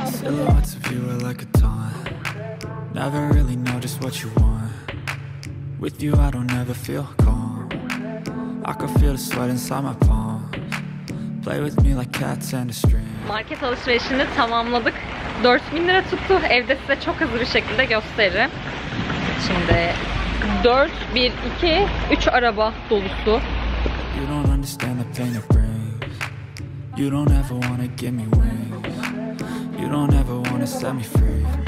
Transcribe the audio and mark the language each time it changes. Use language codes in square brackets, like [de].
[en] Lots of you are like a taunt. Never really know just what you want. With you I don't ever feel calm. I can feel the sweat inside my palms. Play with me like cats and a string. [tr] Market alışverişini tamamladık. 4000 lira tuttu. Evde size çok hızlı bir şekilde gösteririm. Şimdi 4, 1, 2, 3 araba dolusu. [en] You don't understand the pain it brings. You don't ever wanna give me wings. You don't ever wanna set me free.